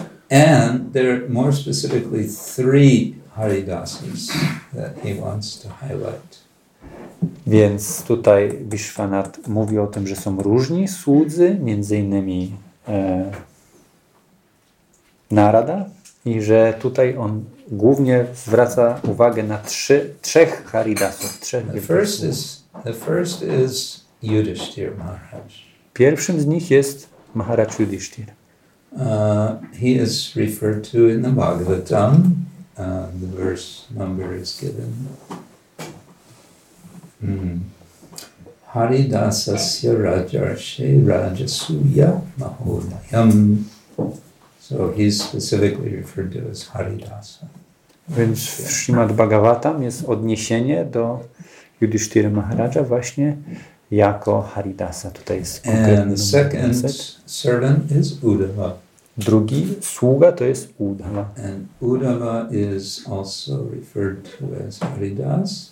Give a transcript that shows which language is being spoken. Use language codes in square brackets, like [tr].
[en] And there are more specifically three Haridasas that he wants to highlight. [pl] Więc tutaj Vishwanath mówi o tym, że są różni słudzy, między innymi Narada, i że tutaj on głównie zwraca uwagę na trzech Haridasów. [en] The first is Yudhishthir Maharaj. [pl] Pierwszym z nich jest Maharaj Yudhishthir. [en] He is referred to in the Bhagavatam. The verse number is given. [sa] Haridasasya Rajarshe Rajasuya Mahodayam. [en] So he's specifically referred to as Haridasa. [pl] Więc w Śrimad Bhagavatam jest odniesienie do Yudhishthira Maharaja właśnie jako Haridasa. Tutaj jest konkretny wniosek. [en] And the second servant is Uddhava. [pl] Drugi sługa to jest Uddhava. [en] And Uddhava is also referred to as Haridas.